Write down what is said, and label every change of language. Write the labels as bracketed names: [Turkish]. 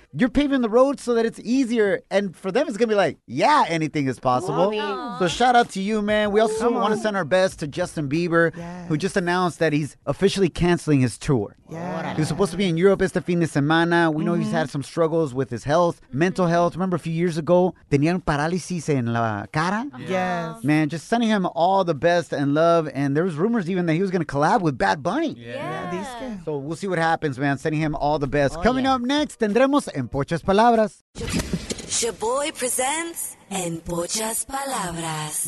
[English] You're paving the road so that it's easier. And for them, it's going to be like, yeah, anything is possible. So shout out to you, man. We also want to send our best to Justin Bieber, who just announced that he's officially canceling his tour. He was supposed to be in Europe [Spanish] este fin de semana. [English] We know he's had some struggles with his health, mental health. Remember a few years ago, [Spanish] tenían parálisis en la cara? [English] Yes. Man, just sending him all the best and love. And there was rumors even that he was going to collab with Bad Bunny. So we'll see what happens, man. Sending him all the best. Coming up next, [Spanish] tendremos [English] En Pochas Palabras. Shaboy presents En Pochas Palabras.